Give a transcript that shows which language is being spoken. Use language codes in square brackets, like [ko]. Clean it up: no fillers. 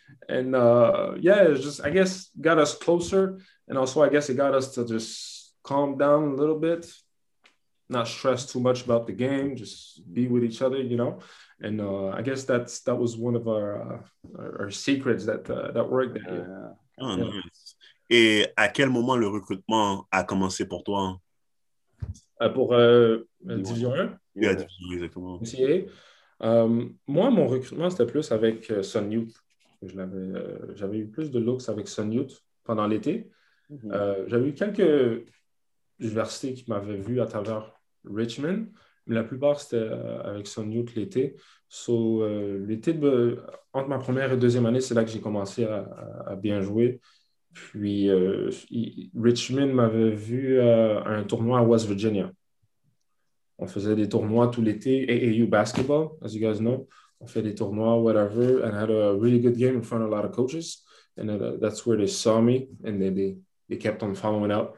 [en] And it's just, I guess, got us closer. And also, I guess it got us to just calm down a little bit, not stress too much about the game, just be with each other, you know? And I guess that was one of our secrets that worked. Yeah. Nice. [fr] Et à quel moment le recrutement a commencé pour toi? Pour Division 1? [en] Yeah, Division 1, [fr] exactement. [en] NCAA. [fr] Moi, mon recrutement, c'était plus avec Sun Youth. J'avais eu plus de looks avec Sun Youth pendant l'été. Mm-hmm. J'avais eu quelques universités qui m'avaient vu à travers Richmond, mais la plupart c'était avec Sun Youth l'été. So, entre ma première et deuxième année, c'est là que j'ai commencé à bien jouer. Puis Richmond m'avait vu à un tournoi à West Virginia. On faisait des tournois tout l'été, AAU basketball, [en] as you guys know. [fr] On fait des tournois, [en] whatever, and had a really good game in front of a lot of coaches. And that's where they saw me, and they kept on following up.